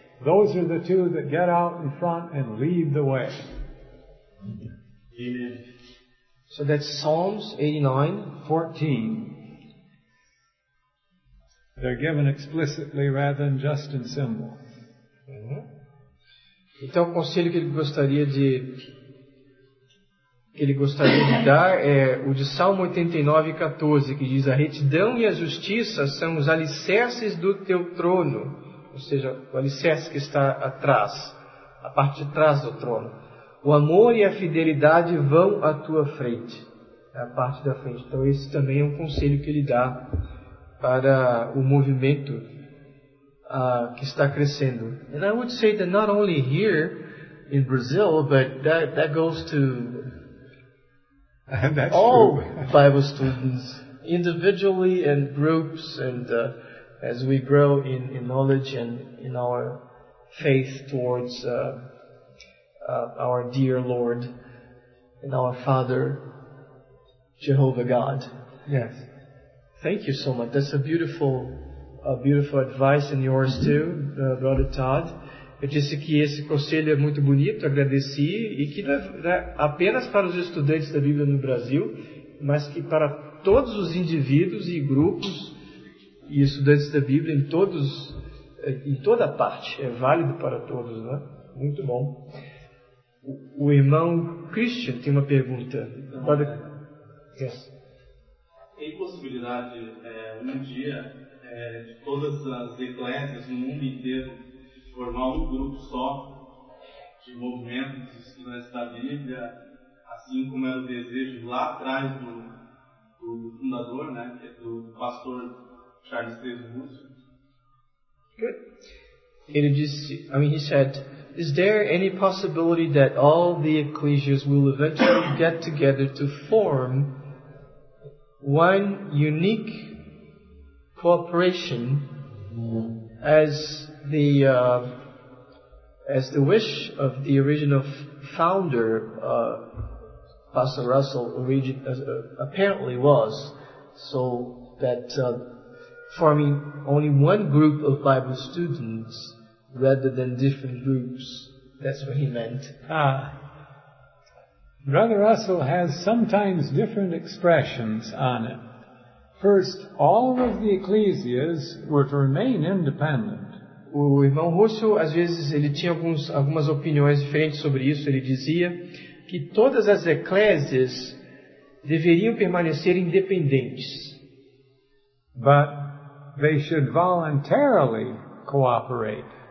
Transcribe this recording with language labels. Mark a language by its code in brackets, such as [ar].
[en] Those are the two that get out in front and lead the way. Amen. So that's Psalms 89:14. They're given explicitly rather than just in symbol. Uhum. [pt] Então o conselho que ele gostaria de dar é o de Salmo 89:14, que diz: a retidão e a justiça são os alicerces do teu trono. Ou seja, o alicerce que está atrás, a parte de trás do trono. O amor e a fidelidade vão à tua frente, é a parte da frente. Então esse também é um conselho que ele dá para o movimento que está crescendo. [en] And I would say that not only here in Brazil, but that goes to all Bible students, individually and groups and as we grow in knowledge and in our faith towards our dear Lord and our Father, Jehovah God. Yes. Thank you so much. That's a beautiful advice and yours too, Brother Todd. [pt] Eu disse que esse conselho é muito bonito, agradeci, e que não é apenas para os estudantes da Bíblia no Brasil, mas que para todos os indivíduos e grupos e estudantes da Bíblia em toda parte, é válido para todos, né? Muito bom. O irmão Christian tem uma pergunta. Pode... [en] Yes. [pt] Tem possibilidade de todas as eclésias no mundo inteiro formar um grupo só de movimentos de estudantes da Bíblia, assim como era o desejo lá atrás do fundador, né, que é do pastor Charles Taylor? [en] Good. [pt] Ele disse, [en] he said, is there any possibility that all the ecclesias will eventually get together to form one unique cooperation as the wish of the original founder, Pastor Russell, apparently was, so that forming only one group of Bible students rather than different groups, that's what he meant. Ah. Brother Russell has sometimes different expressions on it. First, all of the ecclesias were to remain independent. [pt] O irmão Russell, às vezes, ele tinha algumas opiniões diferentes sobre isso. Ele dizia que todas as eclésias deveriam permanecer independentes. [en] But they should voluntarily cooperate.